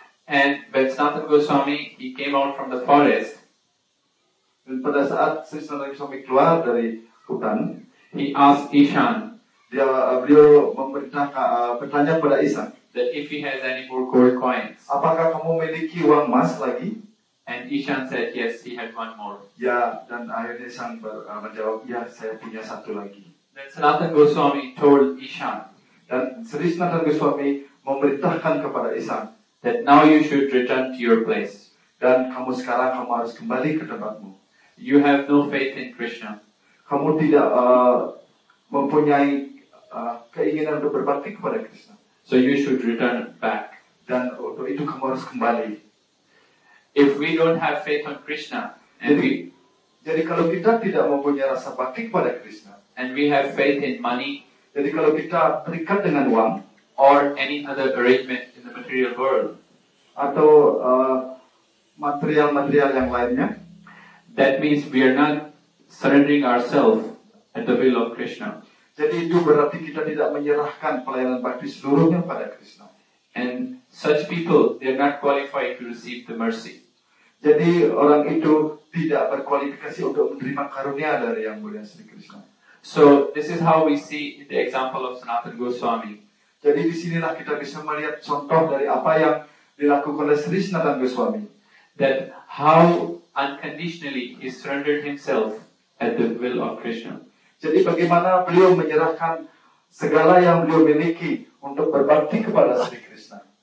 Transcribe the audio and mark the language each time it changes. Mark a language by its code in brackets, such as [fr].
[en] And when Sanatana Goswami, he came out from the forest. [id] Dan pada saat Sri Sanatana Goswami keluar dari hutan, [en] he asked Ishan. [id] Beliau bertanya kepada Ishan. [en] That if he has any more gold coins. [id] Apakah kamu memiliki uang emas lagi? [en] And Ishan said yes, he had one more. [id] Ya, dan akhirnya Ishan menjawab, ya saya punya satu lagi. [en] Then Sanatana Goswami told Ishan. [id] Dan Sri Sanatana Goswami memerintahkan kepada Ishan. [en] That now you should return to your place. [id] Dan kamu sekarang kamu harus kembali ke tempatmu. [en] You have no faith in Krishna. [id] Kamu tidak mempunyai keinginan untuk berbakti kepada Krishna. [en] So you should return back. [id] Dan untuk itu kamu harus kembali. [en] If we don't have faith on Krishna, and [id] jadi kalau kita tidak mempunyai rasa bakti kepada Krishna, [en] and we have faith in money, [id] jadi kalau kita terikat dengan uang, [en] or any other arrangement in the material world, [id] atau material-material yang lainnya, [en] that means we are not surrendering ourselves at the will of Krishna. [id] Jadi itu berarti kita tidak menyerahkan pelayanan bakti seluruhnya pada Krishna. [en] And such people, they are not qualified to receive the mercy. [id] Jadi orang itu tidak berkualifikasi untuk menerima karunia dari Yang Mulia Sri Krishna. [en] So this is how we see the example of Sanatana Goswami. [id] Jadi di sinilah kita bisa melihat contoh dari apa yang dilakukan oleh Sri Sanatana Goswami. [en] That how unconditionally he surrendered himself at the will of Krishna. [id] Jadi bagaimana beliau menyerahkan segala yang beliau miliki untuk berbakti kepada Sri Krishna.